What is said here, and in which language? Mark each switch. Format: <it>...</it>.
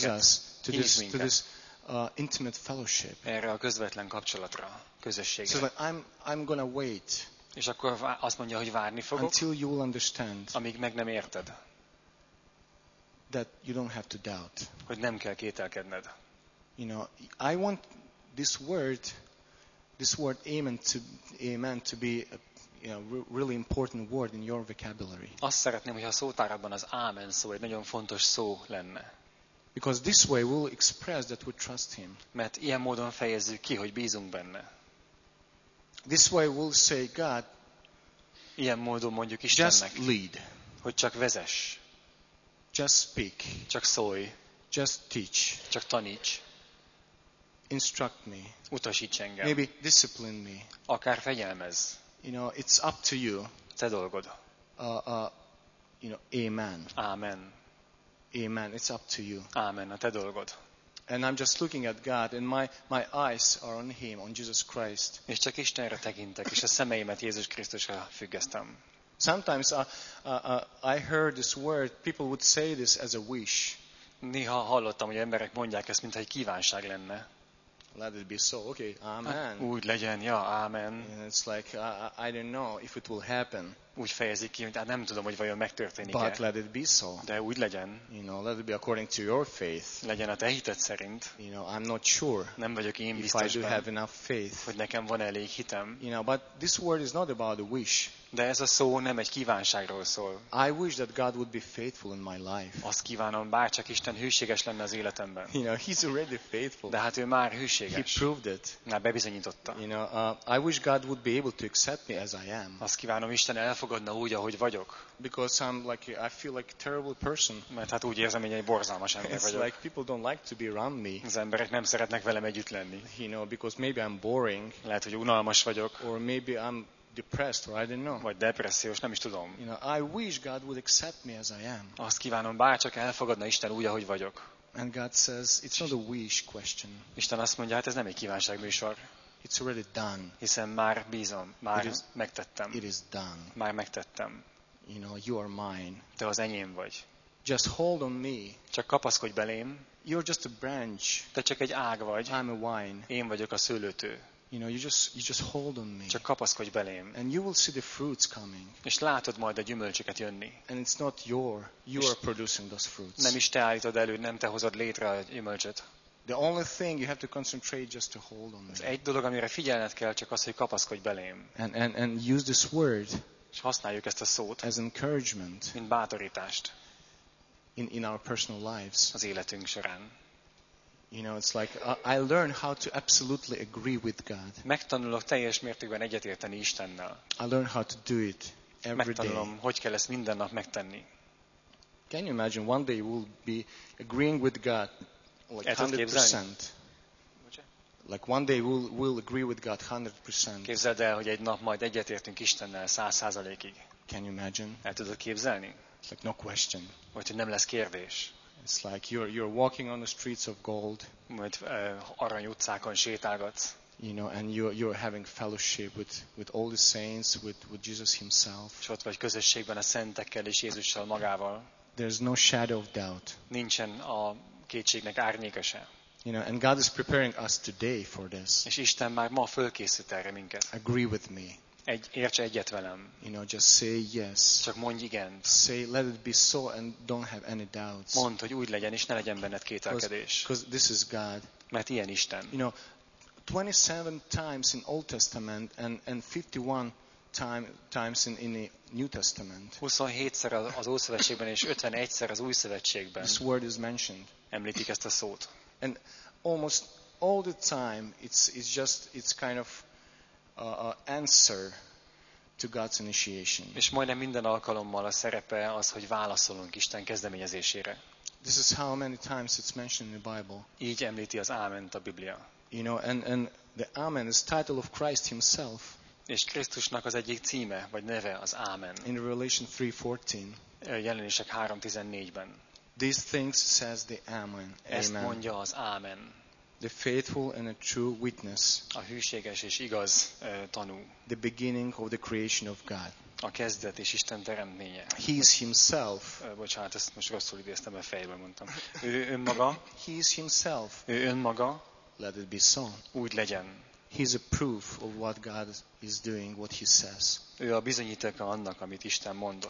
<en>He calls us to this intimate fellowship.</en> <hu>Erre a közvetlen kapcsolatra, közösségre.</hu> <en>So like I'm gonna wait.</en> <hu>És akkor azt mondja, hogy várni fogok.</hu> <en>Until you will understand.</en> <hu>Amíg meg nem érted.</hu> <en>That you don't have to doubt.</en> <hu>Hogy nem kell kételkedned.</hu> <en>You know, I want this word amen to be a really important word in your vocabulary.</en> <hu>Azt szeretném, hogy a szótárakban az ámen szó egy nagyon fontos szó lenne.</hu> <en>Because this way we'll express that we trust him.</en> <hu>Mert ilyen módon fejezzük ki, hogy bízunk benne.</hu> <en>This way we'll say God.</en> <hu>Ilyen módon mondjuk Istennek.</hu> <en>Just lead.</en> <hu>Hogy csak vezess.</hu> <en>Just speak.</en> <hu>Csak szólj.</hu> <en>Just teach.</en> <hu>Csak taníts.</hu> <en>Instruct me.</en> <hu>Utasíts engem.</hu> <en>Maybe discipline me.</en> <hu>Akár fegyelmezz.</hu> <en>You know, it's up to you.</en> <hu>Te dolgod.</hu> <en>You know, amen.</en> <hu>Amen.</hu> <en>Amen. It's up to you.</en> <hu>Amen. A te dolgod.</hu> <en>And I'm just looking at God, and my eyes are on Him, on Jesus Christ.</en> <hu>És csak Istenre tekintek, és a szemeimet Jézus Krisztusra függesztem.</hu> <en>Sometimes I heard this word. People would say this as a wish.</en> <hu>Néha hallottam, hogy emberek mondják ezt, mintha egy kívánság lenne.</hu> <en>Let it be so. Okay, amen.</en> <hu>Úgy legyen, ja, amen.</hu> <en>And it's like I don't know if it will happen.</en> <hu>Úgy fejezik ki, hogy nem tudom, hogy vajon megtörténik-e.</hu> <en>But let it be so.</en> <hu>De úgy legyen.</hu> <en>You know, let it be according to your faith.</en> <hu>Legyen a te hited szerint.</hu> <en>You know, I'm not sure.</en> <hu>Nem vagyok én biztos.</hu> <en>If I do have enough faith.</en> <hu>Hogy nekem van elég hitem.</hu> <en>You know, but this word is not about a wish.</en> <hu>De ez a szó nem egy kívánságról szól.</hu> <en>I wish that God would be faithful in my life.</en> <hu>Azt kívánom, bárcsak Isten hűséges lenne az életemben.</hu> <en>You know, He's already faithful.</en> <hu>De hát ő már hűséges.</hu> <en>He proved it.</en> <hu>Na, bebizonyította.</hu> <en>You know, I wish God would be able to accept me as I am.</en> <hu>Azt kívánom, Isten elfogadna úgy, ahogy vagyok.</hu> <en>Because I'm like I feel like a terrible person.</en> <hu>Mert hát úgy érzem, hogy egy borzalmas ember vagyok.</hu> <en>It's like people don't like to be around me.</en> <hu>Az emberek nem szeretnek velem együtt lenni.</hu> <en>You know, because maybe I'm boring.</en> <hu>Lehet, hogy unalmas vagyok.</hu> <en>Or maybe I'm depressed, or I don't know.</en> <hu>Vagy depressziós, nem is tudom.</hu> <en>You know, I wish God would accept me as I am.</en> <hu>Azt kívánom, bárcsak elfogadna Isten úgy, ahogy vagyok.</hu> <en>And God says, it's not a wish question.</en> <hu>Isten azt mondja, hát ez nem egy kívánság műsor.</hu> <en>It's already done.</en> <hu>Hiszen már bízom, már megtettem.</hu> <en>It is done.</en> <hu>Már megtettem.</hu> <en>You know, you are mine.</en> <hu>Te az enyém vagy.</hu> <en>Just hold on me.</en> <hu>Csak kapaszkodj belém.</hu> <en>You're just a branch.</en> <hu>Te csak egy ág vagy.</hu> <en>I'm a vine.</en> <hu>Én vagyok a szőlőtő.</hu> <en>You know, you just hold on me.</en> <hu>Csak kapaszkodj belém.</hu> <en>And you will see the fruits coming.</en> <hu>És látod majd a gyümölcsöket jönni.</hu> <en>And it's not your, you are producing those fruits.</en> <hu>Nem is te állítod elő, nem te hozod létre a gyümölcsöt.</hu> <en>The only thing you have to concentrate just to hold on me.</en> <hu>Az egy dolog, amire figyelned kell, csak az, hogy kapaszkodj belém.</hu> <en>And use this word.</en> <hu>És használjuk ezt a szót.</hu> <en>As encouragement.</en> <hu>Mint bátorítást.</hu> <en>In our personal lives.</en> <hu>Az életünk során.</hu> <en>You know, it's like I learn how to absolutely agree with God.</en> <hu>Megtanulok teljes mértékben egyetérteni Istennel.</hu> <en>I learn how to do it every</en> <hu>Megtanulom, hogy kell ezt minden nap megtenni.</hu> <en>Can you imagine one day we'll be agreeing with God like 100%? Like one day we'll agree with God 100%.</en> <hu>Képzeld el, hogy egy nap majd egyetértünk Istennel 100%-ig.</hu> <en>Can you imagine?</en> <hu>El tudod képzelni?</hu> <en>It's like no question.</en> <hu>Vagy hogy nem lesz kérdés.</hu> <en>It's like you're walking on the streets of gold.</en> <hu>Majd arany utcákon sétálgatsz.</hu> <en>You know, and you're having fellowship with all the saints, with Jesus himself.</en> <hu>És ott vagy közösségben a szentekkel és Jézussal magával.</hu> <en>There's no shadow of doubt.</en> <hu>Nincsen a kétségnek árnyéka se.</hu> <en>You know, and God is preparing us today for this.</en> <hu>És Isten már ma fölkészít erre minket.</hu> <en>Agree with me.</en> <hu>Érts egyet velem.</hu> <en>You know, just say yes.</en> <hu>Csak mondj igent.</hu> <en>Say, let it be so and don't have any doubts.</en> <hu>Mondd, hogy úgy legyen, és ne legyen benned kételkedés.</hu> <en>Because this is God.</en> <hu>Mert ilyen Isten.</hu> <en>You know, 27 times in Old Testament and 51 times in the New Testament.</en> <hu>27-szer az Ószövetségben és 51-szer az Újszövetségben.</hu> <en>This word is mentioned.</en> <hu>Említik ezt a szót.</hu> <en>And almost all the time it's kind of answer to God's initiation.</en> <hu>És majdnem minden alkalommal a szerepe az, hogy válaszolunk Isten kezdeményezésére.</hu> <en>This is how many times it's mentioned in the Bible.</en> <hu>Így említi az áment a Biblia.</hu> <en>You know, and the amen is title of Christ himself.</en> <hu>És Krisztusnak az egyik címe vagy neve az amen.</hu> <en>In Revelation 3:14.</en> <hu>Jelenések 3:14-ben.</hu> <en>These things says the amen.</en> <hu>Ezt mondja az amen.</hu> <en>The faithful and a true witness.</en> <hu>A hűséges és igaz tanú.</hu> <en>The beginning of the creation of God.</en> <hu>A kezdet és Isten teremtménye.</hu> <en>He is himself.</en> <hu>Bocsánat, ezt most rosszul idéztem, a fejből mondtam. Ő önmaga.</hu> <en>He is himself.</en> <hu>Ő önmaga.</hu> <en>Let it be so.</en> <hu>Úgy legyen.</hu> <en>He is a proof of what God is doing, what he says.</en> <hu>Ő a bizonyítéka annak, amit Isten mondott.</hu>